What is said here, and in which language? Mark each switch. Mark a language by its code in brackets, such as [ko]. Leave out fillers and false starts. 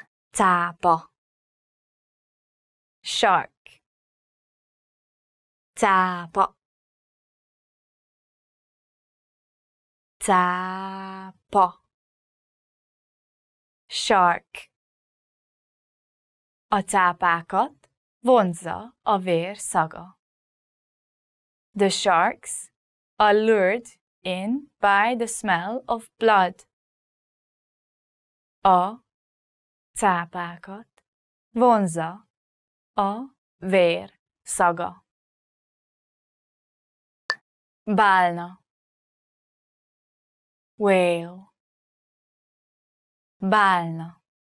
[hu] Cápa. Shark. Cápa. Cápa. [en] Shark. [hu] A cápákat vonzza a vér szaga. [en] The sharks are lured in by the smell of blood. [hu] A cápákat vonza a vér szaga. Bálna. [en] Whale. Bálna.